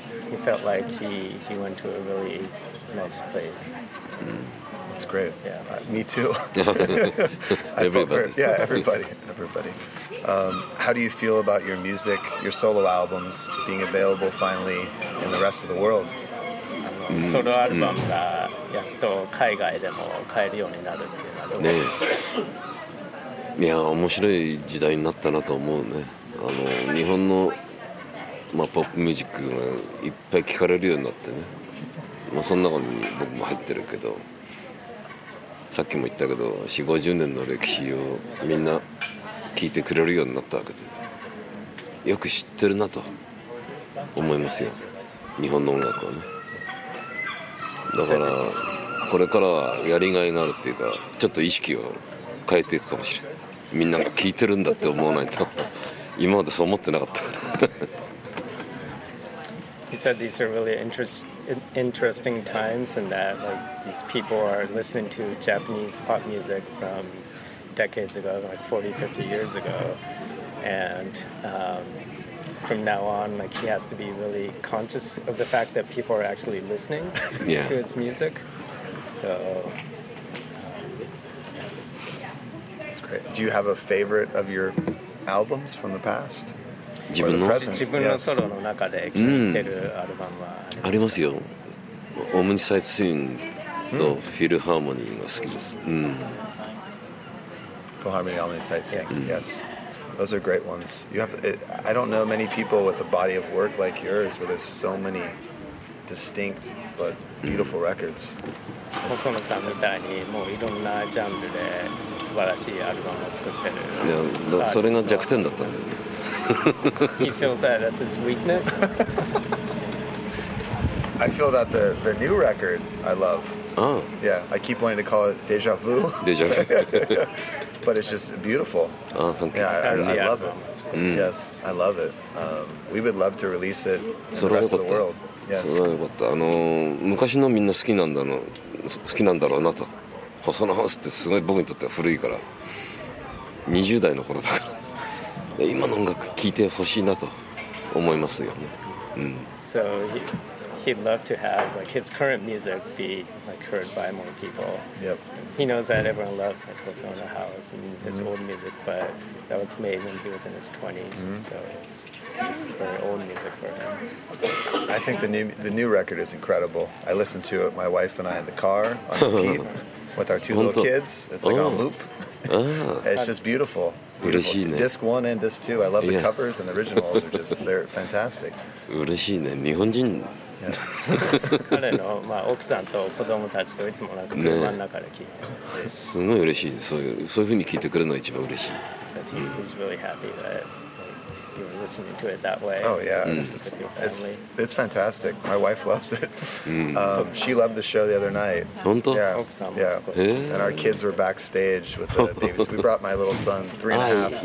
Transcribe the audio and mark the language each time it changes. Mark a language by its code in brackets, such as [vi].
[en] He felt like he went to a really nice place. That's great. Yeah. Me too. Everybody. Yeah, everybody. How do you feel about your music, your solo albums being available finally in the rest of the world? [ja] ソロアルバムがやっと海外でも買えるようになるっていうのはどうですか？ねえ。いや、面白い時代になったなと思うね。日本のまあ、ポップミュージックがいっぱい聴かれるようになってね、まあ、その中に僕も入ってるけど、さっきも言ったけど 4,50 年の歴史をみんな聴いてくれるようになったわけで、よく知ってるなと思いますよ、日本の音楽はね。だからこれからはやりがいがあるっていうか、ちょっと意識を変えていくかもしれない。みんなが聴いてるんだって思わないと今までそう思ってなかったから [en] He said these are really interesting times, and that like these people are listening to Japanese pop music from decades ago, like 40, 50 years ago. And from now on, like he has to be really conscious of the fact that people are actually listening yeah. to his music. So, that's great. Do you have a favorite of your albums from the past? [ja] 自分のソロの中で聴いてるアルバムはありますよ。オムニサイツインとフィルハーモニーが好きです。 [en] フィルハーモニー、オムニサイツイン、yes, those are great ones. You have, I don't know many people with a body of work like yours, where there's so many distinct but beautiful records. [ja] 細野さんみたいにもういろんなジャンルで素晴らしいアルバムを作ってる。いや、それが弱点だったんだよ。 [en] He feels that that's his weakness. I feel that the new record I love. Oh. Yeah, I keep wanting to call it Deja Vu. Deja Vu. But it's just beautiful. Oh, thank you. Yeah, I love it. Yes, I love it. We would love to release it in the rest of the world. Yes. [ja] それはよかった。昔のみんな好きなんだろうなと。細野ハウスってすごい僕にとっては古いから。 20代の頃だから。今の音楽聴いてほしいなと思いますよね。 [en] So he'd love to have like his current music be like heard by more people. Yep. He knows that everyone loves like what's on the house and his old music, but that was made when he was in his 20s. So it's very old music for him. I think the new record is incredible. I listened to it, my wife and I, in the car on repeat with our two little kids. It's like on loop. It's just beautiful. [ja] 嬉しいね。 [en] Disc 1 and Disc 2. I love the covers and the originals are just they're fantastic. [ja] 嬉しいね。日本人。彼の、まあ、奥さんと子供たちといつもなんか車の中で聞いて、すごい嬉しい。そういう風に聞いてくれるのが一番嬉しい。 [en] He's really happy that you're listening to it that way. Oh yeah, it's fantastic. My wife loves it. She loved the show the other night. [ja] 本当？ Yeah, 奥さんも [en] And our kids were backstage with the babies. We brought my little son, 3 and a half.